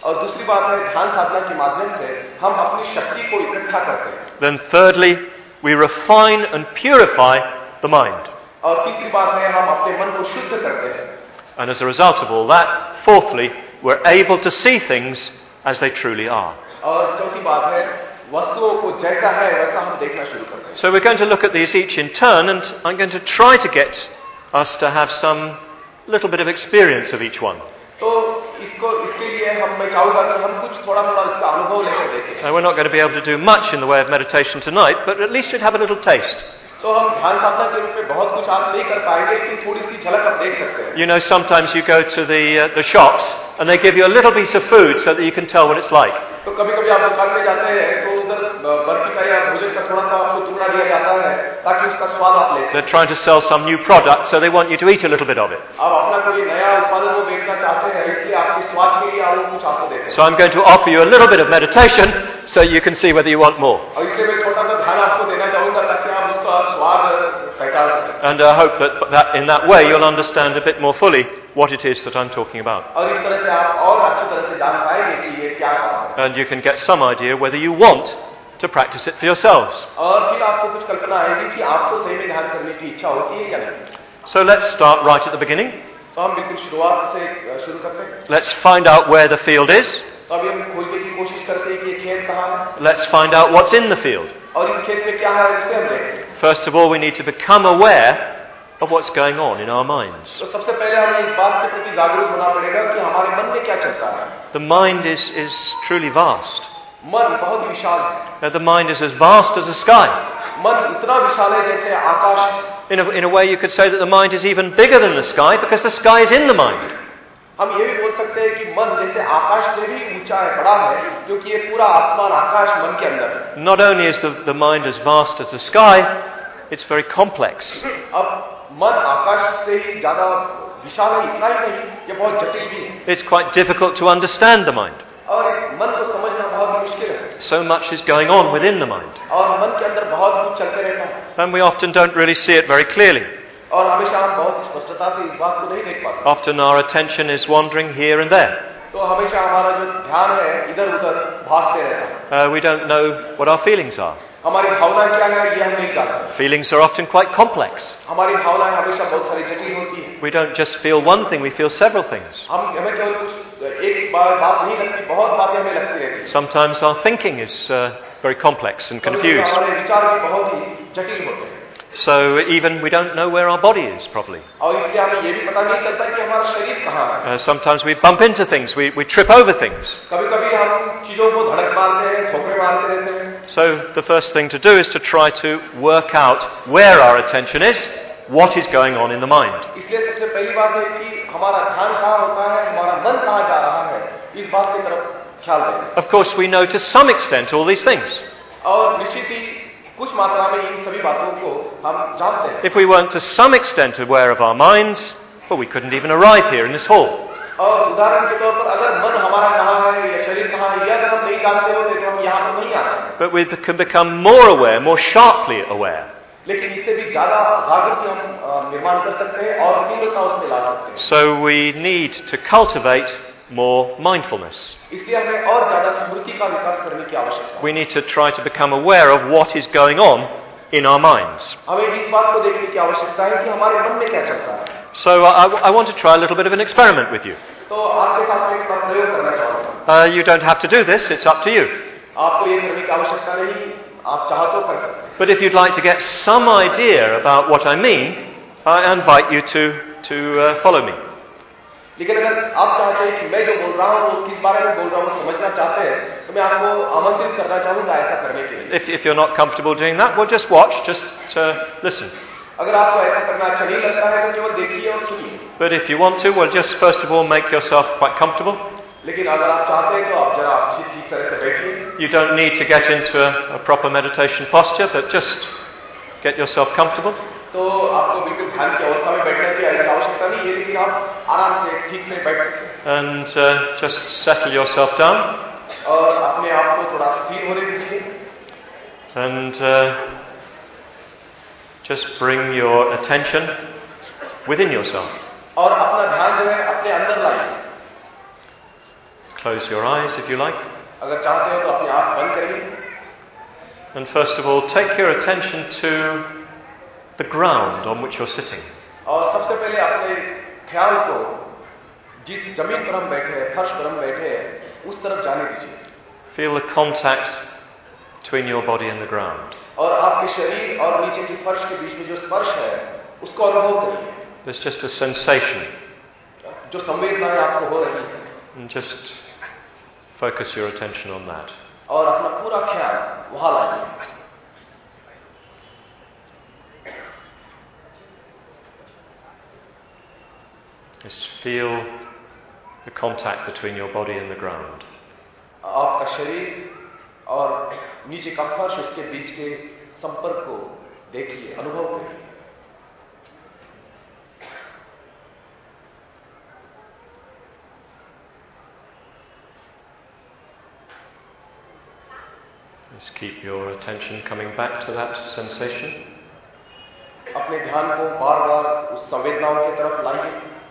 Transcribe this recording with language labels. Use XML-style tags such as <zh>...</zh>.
<hi>और दूसरी बात है ध्यान साधना के माध्यम से हम अपनी शक्ति को इकट्ठा करते हैं.</hi> <en>Then thirdly, we refine and purify the mind.</en> <hi>और तीसरी बात है हम अपने मन को शुद्ध करते हैं.</hi> <en>And as a result of all that, fourthly, we're able to see things as they truly are.</en> <hi>और चौथी बात है वस्तुओं को जैसा है वैसा हम देखना शुरू करते हैं.</hi> <en>So we're going to look at these each in turn, and I'm going to try to get us to have some little bit of experience of each one.</en> <hi>तो इसको इसके लिए हम मैं चाहूंगा कि हम कुछ थोड़ा मोड़ा इसका अनुभव लेकर देखें.</hi> <en>Now we're not going to be able to do much in the way of meditation tonight, but at least we'd have a little taste.</en> <hi>तो हम ध्यान साधना के रूप में बहुत कुछ आप नहीं कर पाएंगे लेकिन थोड़ी सी झलक आप देख सकते हैं.</hi> <en>You know, sometimes you go to the shops and they give you a little piece of food so that you can tell what it's like.</en> <hi>तो कभी कभी आप दुकान में जाते हैं तो उधर बर्फी का या भोजन का थोड़ा सा आपको टुकड़ा दिया जाता है ताकि उसका स्वाद आप ले सकें.</hi> <en>They're trying to sell some new product, so they want you to eat a little bit of it.</en> <hi>अब अपना कोई नया उत्पाद वो बेचना चाहते हैं इसलिए आपके स्वाद के लिए आप कुछ आपको देते हैं.</hi> <en>So I'm going to offer you a little bit of meditation so you can see whether you want more.</en> <hi>और इसलिए मैं थोड़ा सा ध्यान आपको देना चाहूंगा ताकि आप उसका स्वाद पहचान सकें.</hi> <en>And I hope that, that in that way you'll understand a bit more fully what it is that I'm talking about.</en> <hi>और इस तरह से आप और अच्छी तरह से जान पाएंगे कि ये क्या काम है.</hi> <en>And you can get some idea whether you want to practice it for yourselves.</en> <hi>और फिर आपको कुछ कल्पना आएगी कि आपको सही में ध्यान करने की इच्छा होती है या नहीं.</hi> <en>So let's start right at the beginning.</en> <hi>तो हम बिल्कुल शुरुआत से शुरू करते हैं.</hi> <en>Let's find out where the field is.</en> <hi>तो अभी हम खोजने की कोशिश करते हैं कि खेत कहाँ है.</hi> <en>Let's find out what's in the field.</en> <hi>और इस खेत में क्या है उसे हम देखें.</hi> <en>First of all, we need to become aware of what's going on in our minds.</en> <hi>तो सबसे पहले हमें इस बात के प्रति जागरूक होना पड़ेगा कि हमारे मन में क्या चलता है.</hi> <en>The mind is truly vast.</en> <hi>मन बहुत विशाल है.</hi> <en>The mind is as vast as the sky.</en> <hi>मन इतना विशाल है जैसे आकाश.</hi> <en>In a way, you could say that the mind is even bigger than the sky because the sky is in the mind.</en> <hi>हम ये भी बोल सकते हैं कि मन जैसे आकाश से भी ऊंचा है, बड़ा है, क्योंकि ये पूरा आसमान आकाश मन के अंदर है.</hi> <en>Not only is the mind as vast as the sky, it's very complex.</en> <hi>अब मन आकाश से ज्यादा विशाल है, इतना ही नहीं, ये बहुत जटिल भी है.</hi> <en>It's quite difficult to understand the mind.</en> <hi>और मन को समझना बहुत मुश्किल है.</hi> <en>So much is going on within the mind.</en> <hi>और मन के अंदर बहुत कुछ चलते रहता है.</hi> <en>And we often don't really see it very clearly.</en> <hi>और हमेशा हम बहुत स्पष्टता से इस बात को नहीं देख पाते.</hi> <en>Often our attention is wandering here and there.</en> <hi>तो हमेशा हमारा जो ध्यान है इधर उधर भागते रहता.</hi> <en>We don't know what our feelings are.</en> <hi>हमारी भावनाएं क्या है ये हम नहीं जानते.</hi> <en>Feelings are often quite complex.</en> <hi>हमारी भावनाएं हमेशा बहुत सारी जटिल होती है.</hi> <en>We don't just feel one thing, we feel several things.</en> <hi>हम हमें केवल कुछ एक बात नहीं लगती, बहुत बातें हमें लगती रहती.</hi> <en>Sometimes our thinking is very complex and confused.</en> <hi>हमारे विचार भी बहुत ही जटिल होते हैं.</hi> <en>So even we don't know where our body is properly.</en> <hi>और इसलिए हमें ये भी पता नहीं चलता कि हमारा शरीर कहाँ है.</hi> <en>Sometimes we bump into things, we trip over things.</en> <hi>कभी-कभी हम चीजों को धड़क मारते हैं, ठोकरें मारते रहते हैं.</hi> <en>So the first thing to do is to try to work out where our attention is, what is going on in the mind.</en> <hi>इसलिए सबसे पहली बात है कि हमारा ध्यान कहाँ होता है, हमारा मन कहाँ जा रहा है, इस बात की तरफ ख्याल रखें.</hi> <en>Of course, we know to some extent all these things.</en> <hi>और निश्चित ही कुछ मात्रा में इन सभी बातों को हम जानते हैं.</hi> <en>If we weren't to some extent aware of our minds, well, we couldn't even arrive here in this hall.</en> <hi>और उदाहरण के तौर पर अगर मन हमारा कहाँ है या शरीर कहाँ है या अगर हम नहीं जानते होते तो हम यहाँ पर नहीं आते.</hi> <en>But we can become more aware, more sharply aware.</en> <hi>लेकिन इससे भी ज्यादा जागरूक हम निर्माण कर सकते हैं और तीव्रता उसमें ला सकते हैं.</hi> <en>So we need to cultivate more mindfulness.</en> <hi>इसलिए हमें और ज्यादा स्मृति का विकास करने की आवश्यकता है.</hi> <en>We need to try to become aware of what is going on in our minds.</en> <hi>हमें इस बात को देखने की आवश्यकता है कि हमारे मन में क्या चल रहा है.</hi> <en>So I want to try a little bit of an experiment with you.</en> <hi>तो आपके साथ एक प्रयोग करना चाहता हूं.</hi> <en>You don't have to do this, it's up to you.</en> <hi>आपको ये करने की आवश्यकता नहीं, आप चाहो तो कर सकते.</hi> <en>But if you'd like to get some idea about what I mean, I invite you to follow me.</en> <hi>लेकिन अगर आप चाहते हैं कि मैं जो बोल रहा हूँ वो किस बारे में बोल रहा हूँ समझना चाहते हैं तो मैं आपको आमंत्रित करना चाहूंगा ऐसा करने के लिए.</hi> <en>If you're not comfortable doing that, well, just watch, just listen.</en> <hi>अगर आपको ऐसा करना अच्छा नहीं लगता है तो केवल देखिए और सुनिए.</hi> <en>But if you want to, well, just first of all make yourself quite comfortable.</en> <hi>लेकिन अगर आप चाहते हैं तो आप जरा अच्छी ठीक तरह से बैठिए.</hi> <en>You don't need to get into a proper meditation posture, but just get yourself comfortable.</en> <hi>तो आपको बिल्कुल ध्यान की अवस्था में बैठना चाहिए, ऐसी आवश्यकता नहीं है, लेकिन आप आराम से ठीक से बैठ सकते हैं.</hi> <en>And just settle yourself down.</en> <hi>और अपने आप को थोड़ा स्थिर होने दीजिए.</hi> <en>And just bring your attention within yourself.</en> <hi>और अपना ध्यान जो है अपने अंदर लाइए.</hi> <en>Close your eyes if you like.</en> <hi>अगर चाहते हो तो अपनी आंख बंद करिए.</hi> <en>And first of all, take your attention to the ground on which you're sitting.</en> <hi>और सबसे पहले अपने ध्यान को जिस जमीन पर हम बैठे हैं, फर्श पर हम बैठे हैं, उस तरफ जाने दीजिए.</hi> <en>Feel the contact between your body and the ground.</en> <hi>और आपके शरीर और नीचे की फर्श के बीच में जो स्पर्श है, उसको अनुभव करिए.</hi> <en>There's just a sensation.</en> <hi>जो संवेदनाएं आपको हो रही हैं.</hi> <en>And just focus your attention on that.</en> <hi>और अपना पूरा ख्याल वहां लाइए.</hi> <en>Just feel the contact between your body and the ground.</en> <hi>आपका शरीर और नीचे का फर्श, उसके बीच के संपर्क को देखिए, अनुभव करिए.</hi> <en>Just keep your attention coming back to that sensation.</en> <hi>अपने ध्यान को बार बार उस संवेदनाओं की तरफ लाइए.</hi>